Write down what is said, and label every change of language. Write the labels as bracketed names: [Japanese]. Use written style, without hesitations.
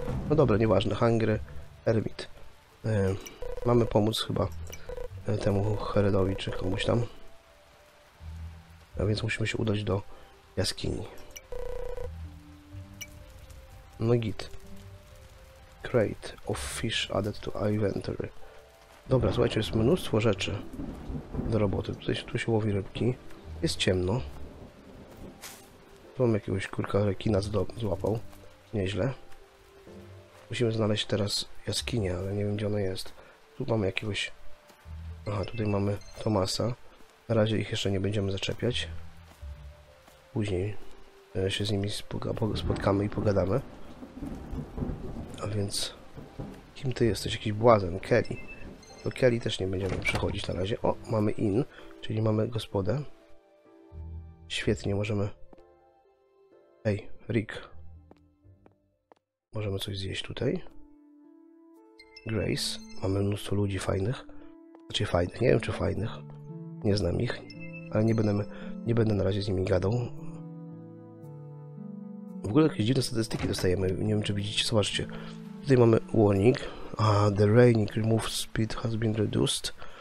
[Polish] No dobra, nieważne. Hungry Hermit. Mamy pomóc chyba temu Heredowi czy komuś tam. A więc musimy się udać do jaskini. No git. [English] Crate of fish added to inventory. [Polish] Dobra, słuchajcie, jest mnóstwo rzeczy do roboty. Tu się łowi rybki. Jest ciemno. Tu mam jakiegoś kurka rekina złapał. Nieźle. Musimy znaleźć teraz jaskinię, ale nie wiem, gdzie ona jest. Tu mamy jakiegoś... Aha, tutaj mamy Tomasa. Na razie ich jeszcze nie będziemy zaczepiać. Później się z nimi spotkamy i pogadamy. A więc... Kim ty jesteś? Jakiś błazen? Kelly. Do Kelly też nie będziemy przychodzić na razie. O, mamy inn, czyli mamy gospodę. Świetnie, możemy... Ej, Rick. Możemy coś zjeść tutaj. Grace. Mamy mnóstwo ludzi fajnych. Znaczy fajnych, nie wiem czy fajnych. Nie znam ich. Ale nie będę na razie z nimi gadał. W ogóle jakieś dziwne statystyki dostajemy. Nie wiem czy widzicie, zobaczcie. Tutaj mamy warning. [English] The raining remove speed has been reduced.